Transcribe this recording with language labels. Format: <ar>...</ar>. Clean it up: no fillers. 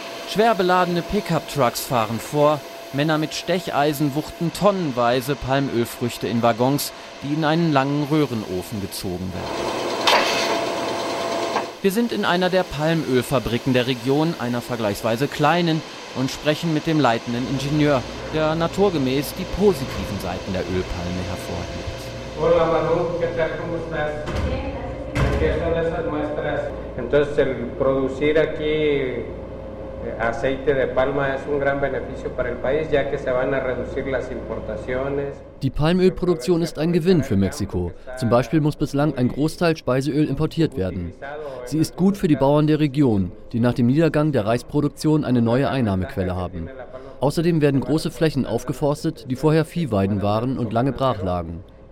<de>Schwer beladene Pickup-Trucks fahren vor. Männer mit Stecheisen wuchten tonnenweise Palmölfrüchte in Waggons, die in einen langen Röhrenofen gezogen werden. Wir sind in einer der Palmölfabriken der Region, einer vergleichsweise kleinen, und sprechen mit dem leitenden Ingenieur, der naturgemäß die positiven Seiten der Ölpalme hervorhebt.</de> <es>Hola, Manu. ¿Qué tal? ¿Cómo estás? Bien, gracias. son esas muestras. Entonces el producir aquí aceite de palma es un gran beneficio para el país, ya que se van a reducir las importaciones.</es> <de>Die Palmölproduktion ist ein Gewinn für Mexiko. Zum Beispiel muss bislang ein Großteil Speiseöl importiert werden. Sie ist gut für die Bauern der Region, die nach dem Niedergang der Reisproduktion eine neue Einnahmequelle haben. Außerdem werden große Flächen aufgeforstet, die vorher Viehweiden waren und lange brach lagen.</de>